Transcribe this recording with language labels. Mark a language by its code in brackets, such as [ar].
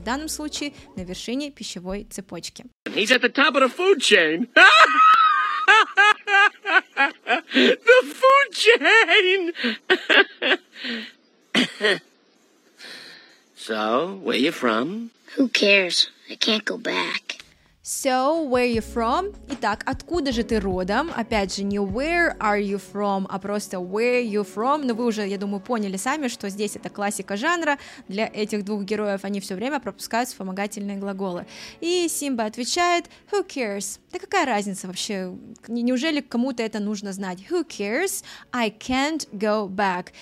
[ru] В данном случае на вершине пищевой цепочки. [en] He's at the top of the food chain. The food chain! So, where are you from? Who cares? I can't go back. So, where are you from? [ru] Итак, откуда же ты родом? Опять же, не [en] where are you from, [ru] а просто [en] where you from. [ru] Но вы уже, я думаю, поняли сами, что здесь это классика жанра. Для этих двух героев они все время пропускают вспомогательные глаголы. И Симба отвечает, [en] who cares? [ru] Да какая разница вообще? Неужели кому-то это нужно знать? [en] Who cares? I can't go back.